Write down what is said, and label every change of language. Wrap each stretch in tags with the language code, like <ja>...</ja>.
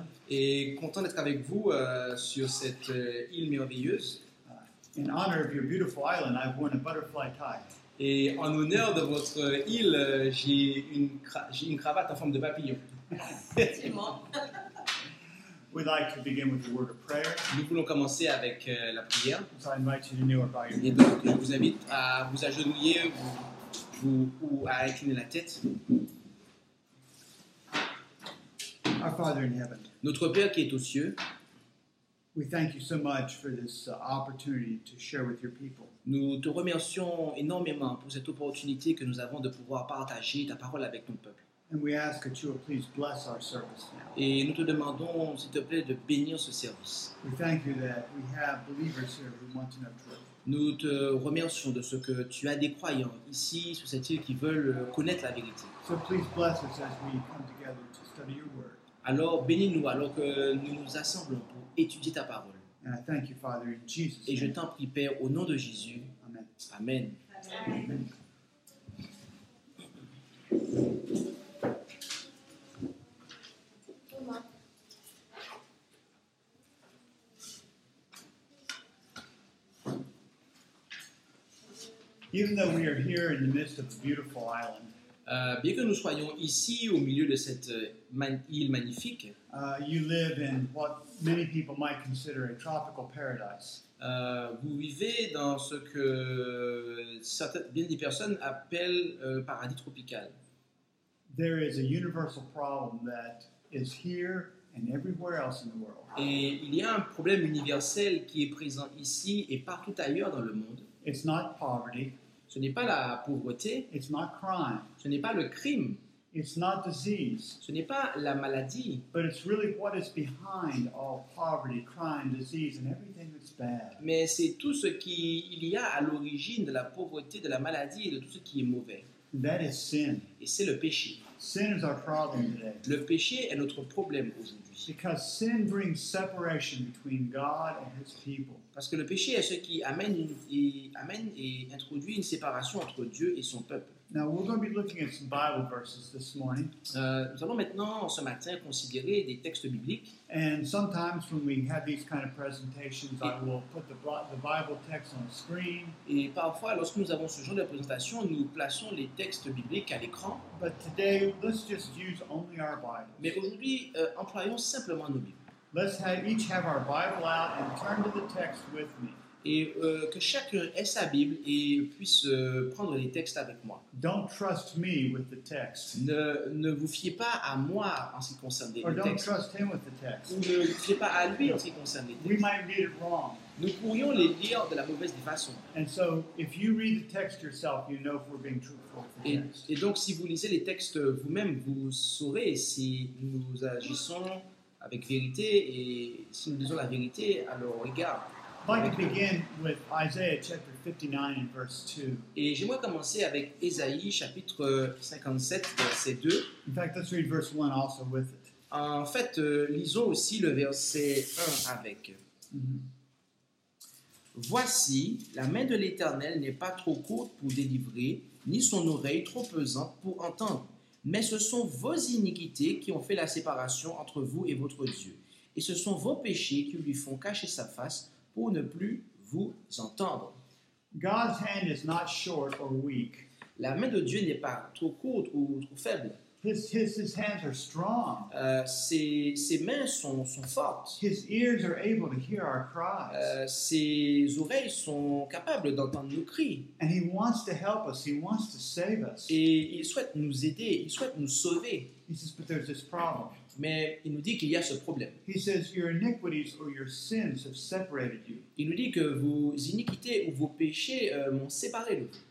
<fr>Et content d'être avec vous sur cette île merveilleuse.</fr> <en>In honor of your beautiful island, I've worn a butterfly tie.</en> <fr>Et en honneur de votre île, j'ai une cravate en forme de papillon.</fr> <en>We'd like to begin with a word of prayer.</en> <fr>Nous voulons commencer avec la prière.</fr> <en>So I invite you to kneel or bow your head.</en> <fr>Et donc, je vous invite à vous agenouiller ou à incliner la tête.</fr> <en>Our Father in heaven.</en> <fr>Notre Père qui est aux cieux.</fr> <en>We thank you so much for this opportunity to share with your people.</en> <fr>Nous te remercions énormément pour cette opportunité que nous avons de pouvoir partager ta parole avec ton peuple.</fr> <en>And we ask that you will please bless our service now.</en> <fr>Et nous te demandons, s'il te plaît, de bénir ce service.</fr> <en>We thank you that we have believers here who want to know truth.</en> <fr>Nous te remercions de ce que tu as des croyants ici sur cette île qui veulent connaître la vérité.</fr> <en>So please bless us as we come together to study your word.</en> <fr>Alors bénis-nous alors que nous nous assemblons pour étudier ta parole.</fr> <en>And I thank you, Father, in Jesus' name.</en> <fr>Et je t'en prie, Père, au nom de Jésus.</fr> <en>Amen.</en> <fr>Amen. Amen.</fr> <en>Even though we are here in the midst of a beautiful island.</en> <fr>Bien que nous soyons ici au milieu de cette île magnifique,</fr> <en>you live in what many people might consider a tropical paradise.</en> <fr>Vous vivez dans ce que bien des personnes appellent paradis tropical.</fr> <en>There is a universal problem that is here and everywhere else in the world.</en> <fr>Et il y a un problème universel qui est présent ici et partout ailleurs dans le monde.</fr> <en>It's not poverty.</en> <fr>Ce n'est pas la pauvreté.</fr> <en>It's not crime.</en> <fr>Ce n'est pas le crime.</fr> <en>It's not disease.</en> <fr>Ce n'est pas la maladie.</fr> <en>But it's really what is behind all poverty, crime, disease, and everything that's bad.</en> <fr>Mais c'est tout ce qu'il y a à l'origine de la pauvreté, de la maladie et de tout ce qui est mauvais.</fr> <en>That is sin.</en> <fr>Et c'est le péché.</fr> <en>Sin is our problem today.</en> <fr>Le péché est notre problème aujourd'hui.</fr> <en>Because sin brings separation between God and His people.</en> <fr>Parce que le péché est ce qui amène et introduit une séparation entre Dieu et son peuple.</fr> <en>Now we're going to be looking at some Bible verses this morning.</en> <fr>Nous allons maintenant ce matin considérer des textes bibliques.</fr> <en>And sometimes when we have these kind of presentations, I will put the Bible text on the screen.</en> <fr>Et parfois, lorsque nous avons ce genre de présentation, nous plaçons les textes bibliques à l'écran.</fr> <en>But today, let's just use only our Bibles.</en> <fr>Mais aujourd'hui, employons simplement nos Bibles.</fr> <en>Let's each have our Bible out and turn to the text with me.</en> <fr>Et que chacun ait sa Bible et puisse prendre les textes avec moi.</fr> <en>Don't trust me with the text.</en> <fr>Ne vous fiez pas à moi en ce qui concerne les textes.</fr> <en>Or don't trust him with the text.</en> <fr>Ou ne vous fiez pas à lui en ce qui concerne les textes.</fr> <en>We might read it wrong.</en> <fr>Nous pourrions les lire de la mauvaise façon.</fr> <en>And so, if you read the text yourself, you know if we're being truthful with the text.</en> <fr>Et donc, si vous lisez les textes vous-même, vous saurez si nous agissons avec vérité et si nous disons la vérité à leur regard.</fr> <en>Like to begin with Isaiah chapter 59 and verse 2.</en> <fr>Et j'aimerais commencer avec Ésaïe chapitre 57 verset 2.</fr> <en>In fact, let's read verse 1 also with it.</en> <fr>En fait, lisons aussi le verset 1 avec. Voici, la main de l'Éternel n'est pas trop courte pour délivrer, ni son oreille trop pesante pour entendre. Mais ce sont vos iniquités qui ont fait la séparation entre vous et votre Dieu. Et ce sont vos péchés qui lui font cacher sa face pour ne plus vous entendre.</fr> <en>God's hand is not short or weak.</en> <fr>La main de Dieu n'est pas trop courte ou trop faible.</fr> <en>His hands are strong.</en> <fr>Ses mains sont fortes.</fr> <en>His ears are able to hear our cries.</en> <fr>Ses oreilles sont capables d'entendre nos cris.</fr> <en>And he wants to help us. He wants to save us.</en> <fr>Et il souhaite nous aider. Il souhaite nous sauver.</fr> <en>He says, but there's this problem.</en> <fr>Mais il nous dit qu'il y a ce problème.</fr> <en>He says, your iniquities or your sins have separated you.</en> <fr>Il nous dit que vos iniquités ou vos péchés m'ont séparé de vous.</fr>